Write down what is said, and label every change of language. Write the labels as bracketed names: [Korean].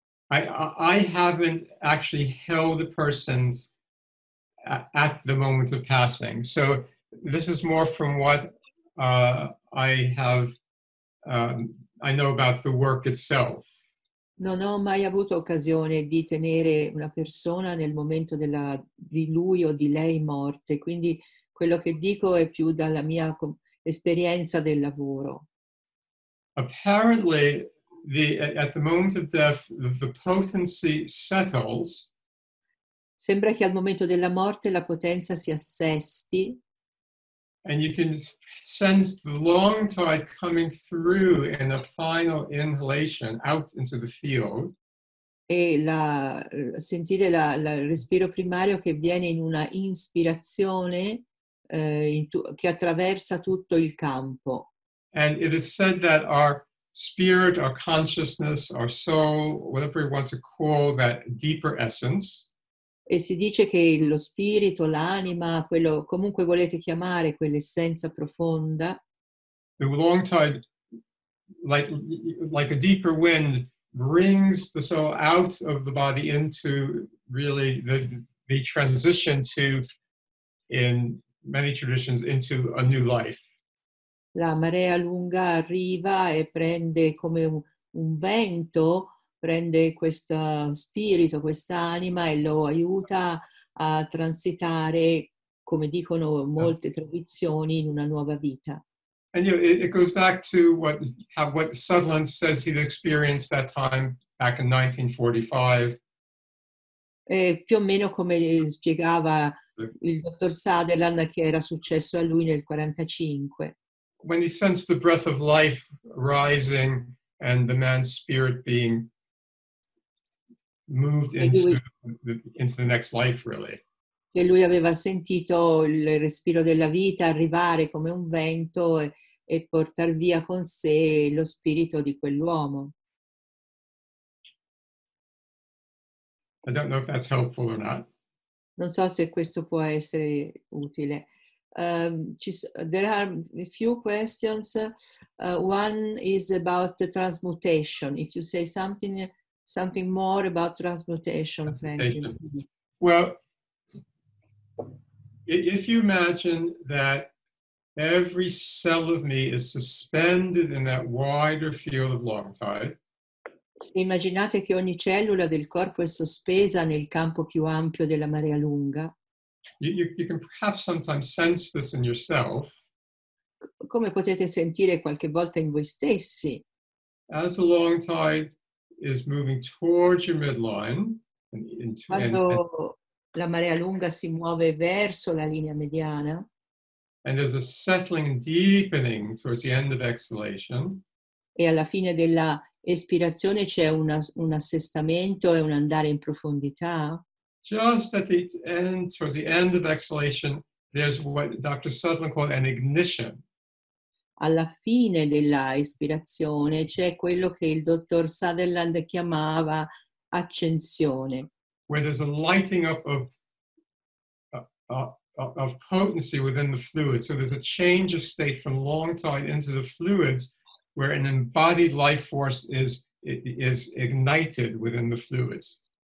[English] I haven't actually held the person at the moment of passing. So this is more from what I know about the work itself. [Italian] Non ho mai avuto occasione di tenere una persona nel momento della di lui o di lei morte, quindi quello che dico è più dalla mia esperienza del lavoro. [English] Apparently, at the moment of death, the potency settles. [Italian] Sembra che al momento della morte la potenza si assesti. [English] And you can sense the long tide coming through in a final inhalation out into the field. [Italian] E sentire il respiro primario che viene in una inspirazione che attraversa tutto il campo. [English] And it is said that our spirit, our consciousness, our soul, whatever we want to call that deeper essence. [Italian] E si dice che lo spirito, l'anima, quello comunque volete chiamare quell'essenza profonda. [English] The long tide, like a deeper wind, brings the soul out of the body into really the transition to, in many traditions, into a new life. [Italian] La marea lunga arriva e prende come un vento. Prende questo spirito, quest'anima e lo aiuta a transitare, come dicono molte tradizioni, in una nuova vita. [English] And you know, it goes back to what Sutherland says he'd experienced that time back in 1945. [Italian] Più o meno come spiegava il dottor Sutherland che era successo a lui nel 45. [English] When he sensed the breath of life rising and the man's spirit being moved into the next life, really. [Italian] Che lui aveva sentito il respiro della vita arrivare come un vento e portar via con sé lo spirito di quell'uomo. [English] I don't know if that's helpful or not. [Italian] Non so se questo può essere utile. [English] There are a few questions. One is about the transmutation. If you say something more about transmutation, Franklyn. Well, if you imagine that every cell of me is suspended in that wider field of long tide. [Italian] Se immaginate che ogni cellula del corpo è sospesa nel campo più ampio della marea lunga. [English] You can perhaps sometimes sense this in yourself. [Italian] Come potete sentire qualche volta in voi stessi? [English] As a long tide is moving towards your midline. [Italian] Quando la marea lunga si muove verso la linea mediana. [English] And there's a settling and deepening towards the end of exhalation. [Italian] E alla fine della espirazione c'è un assestamento e un andare in profondità. [English] Just at the end, towards the end of exhalation, there's what Dr. Sutherland called an ignition. [Italian] Alla fine della ispirazione c'è quello che il dottor Sutherland chiamava accensione. [English] Where there's a lighting up of potency within the fluid. So there's a change of state from long tide into the fluids where an embodied life force is ignited within the fluids.